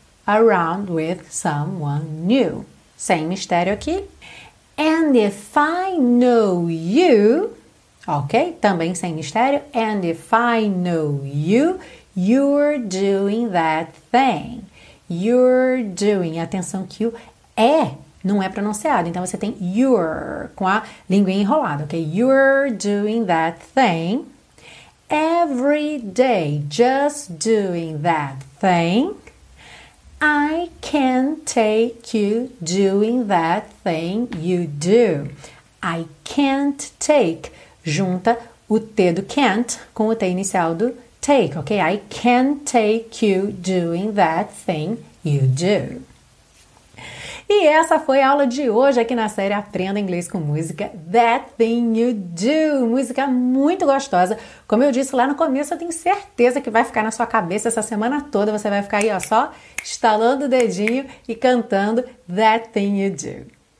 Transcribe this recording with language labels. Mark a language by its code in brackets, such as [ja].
[en] Around with someone new. [pt] Sem mistério aqui. [en] And if I know you. Ok? [pt] Também sem mistério. [en] And if I know you, you're doing that thing. You're doing. [pt] Atenção que o é. Não é pronunciado, então você tem you're com a língua enrolada, ok? [en] You're doing that thing every day, just doing that thing. I can take you doing that thing you do. I can't take, [pt] junta o T do can't com o T inicial do take, ok? [en] I can't take you doing that thing you do. [pt] E essa foi a aula de hoje aqui na série Aprenda Inglês com Música, That Thing You Do, música muito gostosa. Como eu disse lá no começo, eu tenho certeza que vai ficar na sua cabeça essa semana toda, você vai ficar aí ó, só estalando o dedinho e cantando That Thing You Do.